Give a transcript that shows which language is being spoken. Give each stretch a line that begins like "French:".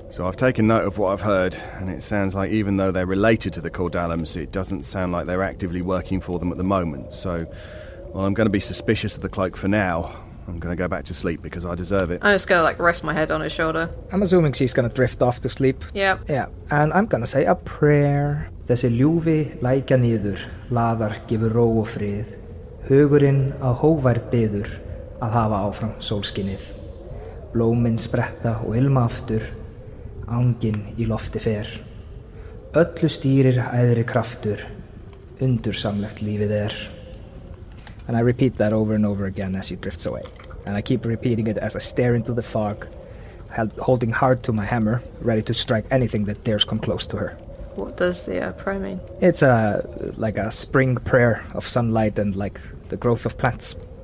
English: So I've taken note of what I've heard, and it sounds like even though they're related to the Cordalums, it doesn't sound like they're actively working for them at the moment. So, I'm going to be suspicious of the cloak for now. I'm going to go back to sleep because I deserve it. I'm just going to rest my head on his shoulder. I'm assuming she's going to drift off to sleep. Yeah. And I'm going to say a prayer.
Icelandic: Þessi ljúfi lækja niður, laðar gefur ró og frið. Hugurinn á hóvært byður að hafa áfram sólskinnið. Blómin spretta og ilma aftur, anginn í lofti fer. Öllu stýrir æðri kraftur, undursamlegt lífið
English: And I repeat that over and over again as he drifts away. And I keep repeating it as I stare into the fog, holding hard to my hammer, ready to strike anything that dares come close to her. What does the prayer mean? It's a spring prayer of sunlight and the growth of plants.